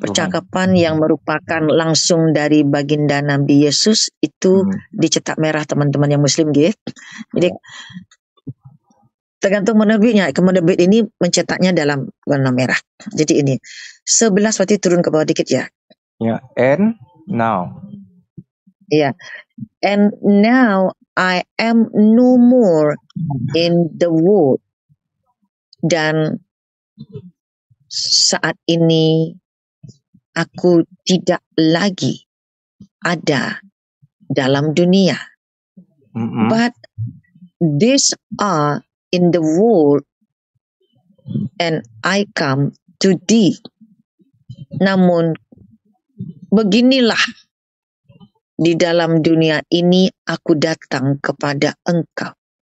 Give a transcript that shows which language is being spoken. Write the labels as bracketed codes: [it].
[id] percakapan yang merupakan langsung dari baginda Nabi Yesus itu dicetak merah, teman-teman yang Muslim gitu. Jadi tergantung menerbitnya, kemenerbit ini mencetaknya dalam warna merah. Jadi ini 11 berarti turun ke bawah dikit ya. [en] Ya, and now. Ya, and now I am no more in the world. [id] Dan saat ini aku tidak lagi ada dalam dunia. Mm-hmm. [en] But these are in the world and I come to thee. [id] Namun beginilah, di dalam dunia ini aku datang kepada engkau.